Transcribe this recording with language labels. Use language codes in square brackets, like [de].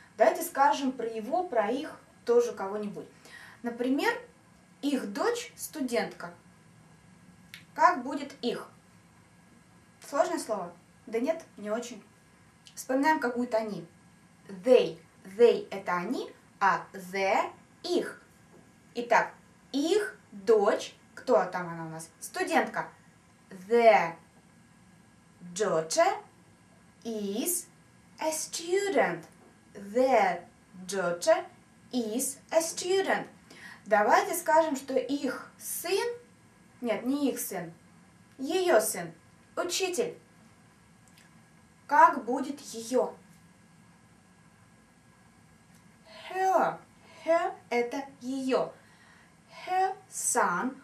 [ru] Давайте скажем про его, про их тоже кого-нибудь. Например, их дочь – студентка. Как будет их? Сложное слово? Да нет, не очень. Вспоминаем, как будут они. [en] They. [ru] They – это они, а they – их. Итак, их дочь, кто там она у нас? Студентка. [en] Their daughter is a student. Their daughter is a student. [ru] Давайте скажем, что их сын, нет, не их сын, ее сын. Учитель. Как будет ее? [en] Her. Her – [ru] это ее. [en] Her son.